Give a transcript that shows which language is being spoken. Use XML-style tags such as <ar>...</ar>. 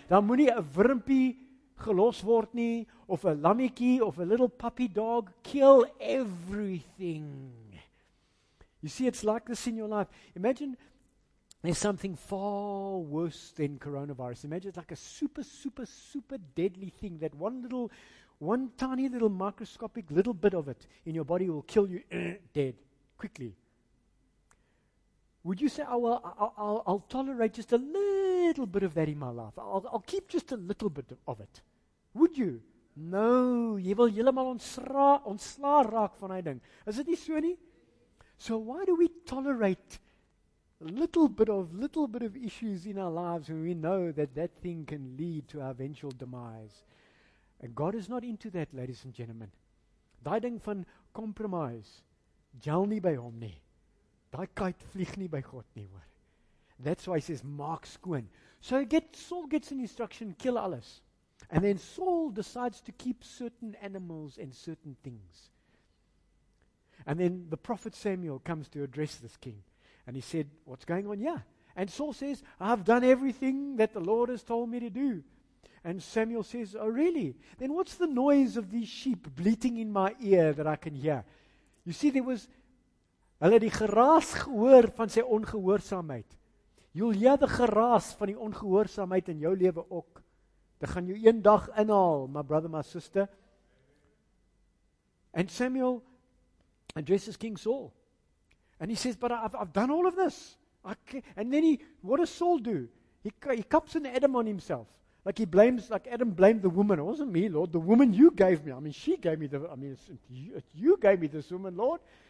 <af>Dan moet nie 'n wurmpie gelos word nie, of 'n lammetjie, of 'n</af> <en>little puppy dog. Kill everything. You see, it's like this in your life. Imagine, there's something far worse than coronavirus. Imagine it's like a super, super, super deadly thing that one tiny little microscopic little bit of it in your body will kill you dead quickly. Would you say, oh, well, I'll tolerate just a little bit of that in my life. I'll keep just a little bit of it. Would you?</en> <af>No, jy wil heeltemal ontslaa raak van hy ding. Is dit nie so nie?</af> <en>So why do we tolerate little bit of issues in our lives when we know that that thing can lead to our eventual demise? And God is not into that, ladies and gentlemen.</en> <af>Daai ding van compromise, gel nie by hom nie. Daai kite vlieg nie by God nie, hoor.</af> <en>That's why he says,</en> <af>maak skoon.</af> <en>So Saul gets an instruction, kill alles. And then Saul decides to keep certain animals and certain things. And then the prophet Samuel comes to address this king. And he said, what's going on? Yeah. And Saul says, I've done everything that the Lord has told me to do. And Samuel says, oh really? Then what's the noise of these sheep bleating in my ear that I can hear? You see, there was,</en> <af>hulle het die geraas gehoor van sy ongehoorsaamheid.</af> <en>You'll hear the</en> <af>geraas van die ongehoorsaamheid in jou lewe ook. Dit gaan jou een dag inhaal,</af> <en>my brother, my sister. And Samuel addresses King Saul. And he says, but I've done all of this. What does Saul do? He cups an Adam on himself. Like Adam blamed the woman. It wasn't me, Lord. The woman you gave me. I mean, she gave me the, I mean, you gave me this woman, Lord.</en>